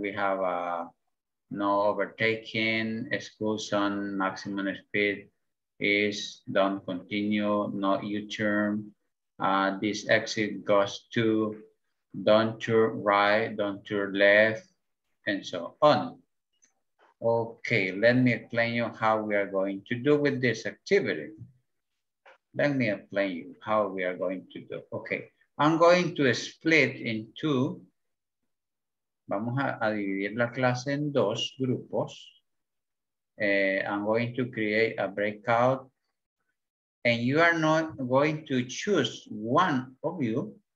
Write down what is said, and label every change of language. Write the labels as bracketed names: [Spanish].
[English] We have no overtaking, school zone, maximum speed is don't continue, no U-turn, this exit goes to, don't turn right, don't turn left, and so on. Okay, let me explain you how we are going to do with this activity. Let me explain you how we are going to do. Okay, I'm going to split in two. [Spanish] Vamos a dividir la clase en dos grupos. [English] I'm going to create a breakout. And you are not going to choose one of you.